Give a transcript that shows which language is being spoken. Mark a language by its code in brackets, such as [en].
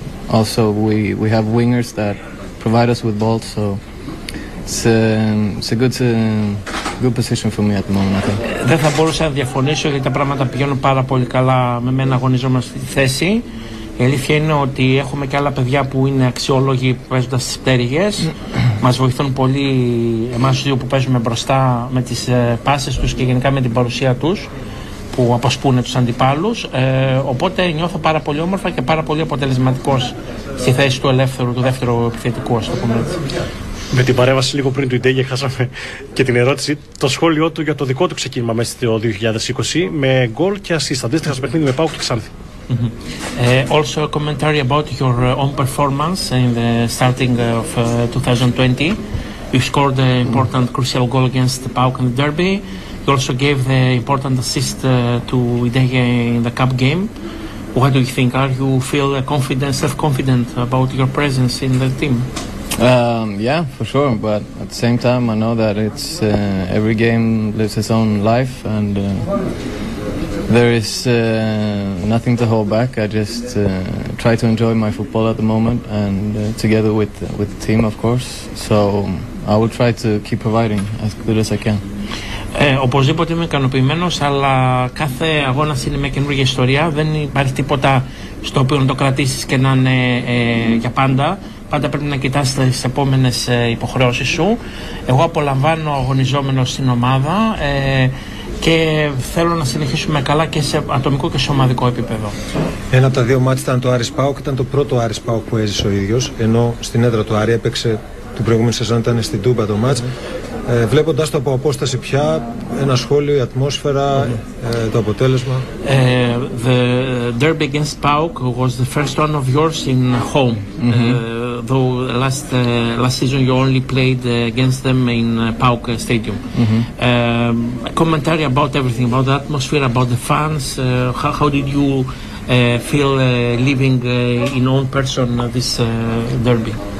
[en] Also, we have wingers that provide us with balls, so it's a good position for me at the moment, I think. [el] Δεν θα μπορούσα να διαφωνήσω γιατί τα πράγματα πηγαίνουν πάρα πολύ καλά με μένα αγωνίζομαι στη θέση. Η αλήθεια είναι ότι έχουμε και άλλα παιδιά που είναι αξιόλογοι παίζοντας στις πτέρυγες. Μας βοηθούν πολύ εμάς δύο που παίζουμε μπροστά με τις πάσες τους και γενικά με την παρουσία τους που αποσπούνε τους αντιπάλους. Οπότε νιώθω πάρα πολύ όμορφα και πάρα πολύ αποτελεσματικός στη θέση του ελεύθερου, του δεύτερου επιθετικού, ας το πούμε έτσι. Με την παρέμβαση λίγο πριν του Ιντέγια χάσαμε και την ερώτηση, το σχόλιο του για το δικό του ξεκίνημα μέσα στο 2020 με γκολ και ασίστ, αντίστοιχα στο παιχνίδι με ΠΑΟΚ και Ξάνθη. Mm-hmm. [en] Also a commentary about your own performance in the starting of 2020. You scored an important crucial goal against the PAOK in the derby. You also gave the important assist to Ideje in the cup game. What do you think? Are you feel confident, self-confident about your presence in the team? Yeah, for sure. But at the same time, I know that it's every game lives its own life and there is nothing to hold back. I just try to enjoy my football at the moment and together with the team, of course. So I will try to keep providing as good as I can. [el] Οπωσδήποτε είμαι ικανοποιημένος, αλλά κάθε αγώνας είναι μια καινούργια ιστορία. Δεν υπάρχει τίποτα στο οποίο να το κρατήσεις και να είναι για πάντα. Πάντα πρέπει να κοιτάς τις επόμενες υποχρεώσεις σου. Εγώ απολαμβάνω αγωνιζόμενος στην ομάδα. Και θέλω να συνεχίσουμε καλά και σε ατομικό και σε ομαδικό επίπεδο. Ένα από τα δύο μάτς ήταν το Άρης ΠΑΟΚ, ήταν το πρώτο Άρης ΠΑΟΚ που έζησε ο ίδιος, ενώ στην έδρα του Άρη έπαιξε την προηγούμενη σεζόν, ήταν στην Τούμπα το μάτς. Βλέποντας το από απόσταση πια, ένα σχόλιο, η ατμόσφαιρα, το αποτέλεσμα. [en] The derby against ΠΑΟΚ was the first one of yours in home. Mm-hmm. Though last season you only played against them in PAOK Stadium. Mm-hmm. Commentary about everything, about the atmosphere, about the fans. How did you feel living in own person this derby?